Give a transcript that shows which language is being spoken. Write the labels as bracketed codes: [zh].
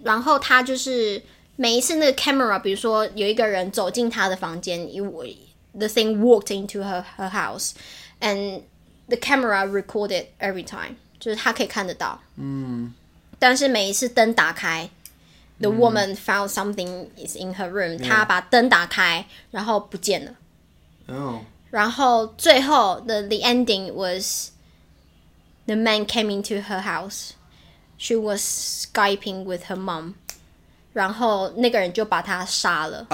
[zh] 然后他就是 每一次那个 camera, 比如说有一个人走进他的房间, [en] the thing walked into her house, and the camera recorded every time, [zh] 就是他可以看得到. 但是每一次灯打开, [en] the woman found something is in her room. Yeah. [zh] 她把灯打开, 然后不见了。 [en] Oh. [zh] 然后最后, [en] the ending was, the man came into her house. She was Skyping with her mom. [zh] 然后那个人就把她杀了。